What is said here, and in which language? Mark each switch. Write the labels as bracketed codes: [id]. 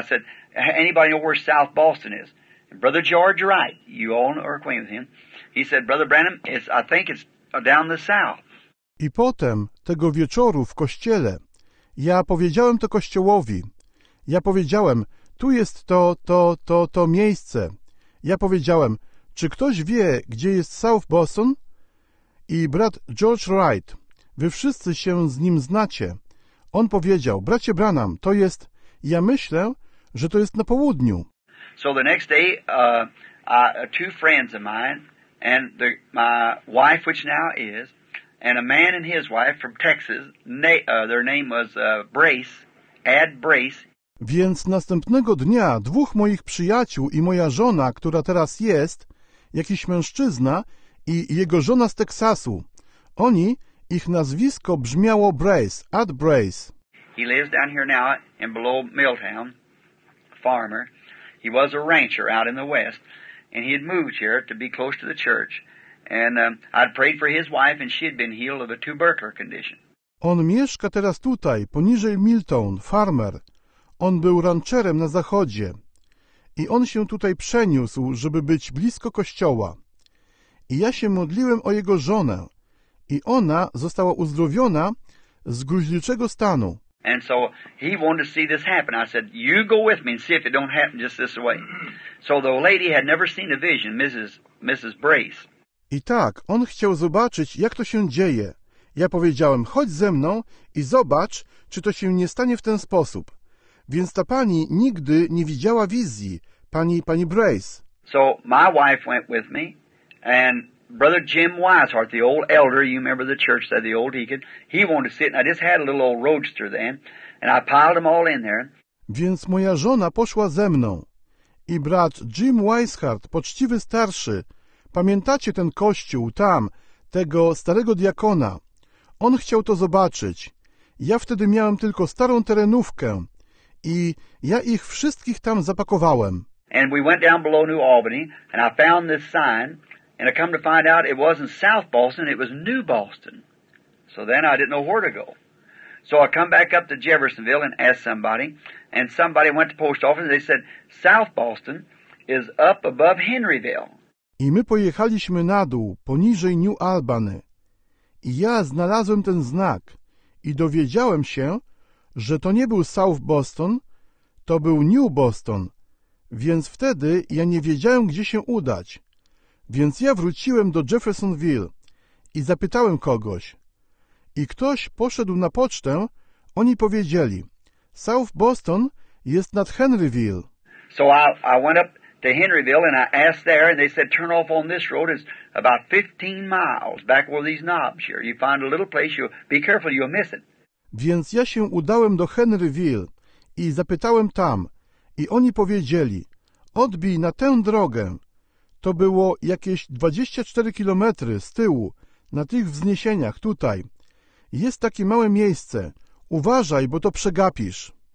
[en] I said, anybody know where South Boston is? Brother George Wright, you all are acquainted with him. He said, Brother Branham, I think it's down the south. [pl] I potem, tego wieczoru w kościele, ja powiedziałem to kościołowi. Ja powiedziałem, tu jest to miejsce. Ja powiedziałem, czy ktoś wie, gdzie jest South Boston? I brat George Wright, wy wszyscy się z nim znacie. On powiedział, bracie Branham, to jest, ja myślę, że to jest na południu. [en] So the next day, two friends of mine, and my wife, which now is, and a man and his wife from Texas, their name was Brace, Ad Brace. [pl] Więc następnego dnia dwóch moich przyjaciół i moja żona, która teraz jest, jakiś mężczyzna i jego żona z Teksasu, oni, ich nazwisko brzmiało Brace, Ad Brace. [en] He lives down here now in below Milltown, farmer. He was a rancher out in the West, and he had moved here to be close to the church. And I'd prayed for his wife, and she had been healed of a tubercular condition. [pl] On mieszka teraz tutaj, poniżej Milton, farmer. On był rancherem na zachodzie i on się tutaj przeniósł, żeby być blisko kościoła. I ja się modliłem o jego żonę i ona została uzdrowiona z gruźliczego stanu. [en] And so he wanted to see this happen. I said, you go with me and see if it don't happen just this way. So the lady had never seen a vision, Mrs. Brace. [pl] I tak, on chciał zobaczyć, jak to się dzieje. Ja powiedziałem, chodź ze mną i zobacz, czy to się nie stanie w ten sposób. Więc ta pani nigdy nie widziała wizji, pani Brace. [en] So my wife went with me, and Brother Jim Weishart, the old elder, you remember the church, said the old deacon, he wanted to sit, and I just had a little old roadster then, and I piled them all in there. [pl] Więc moja żona poszła ze mną. I brat Jim Weishart, poczciwy starszy, pamiętacie ten kościół tam, tego starego diakona? On chciał to zobaczyć. Ja wtedy miałem tylko starą terenówkę i ja ich wszystkich tam zapakowałem. [en] And we went down below New Albany, and I found this sign. And I come to find out it wasn't South Boston, it was New Boston. So then I didn't know where to go. So I come back up to Jeffersonville and asked somebody, and somebody went to post office and they said, South Boston is up above Henryville. [pl] I my pojechaliśmy na dół, poniżej New Albany. I ja znalazłem ten znak i dowiedziałem się, że to nie był South Boston, to był New Boston. Więc wtedy ja nie wiedziałem, gdzie się udać. Więc ja wróciłem do Jeffersonville i zapytałem kogoś. I ktoś poszedł na pocztę, oni powiedzieli, South Boston jest nad Henryville. [en] So I went up to Henryville and I asked there and they said, turn off on this road, it's about 15 miles back where these knobs here. You find a little place, you be careful, you'll miss it. [pl] Więc ja się udałem do Henryville i zapytałem tam i oni powiedzieli, odbij na tę drogę. To było jakieś 24 kilometry z tyłu, na tych wzniesieniach, tutaj. Jest takie małe miejsce. Uważaj, bo to przegapisz.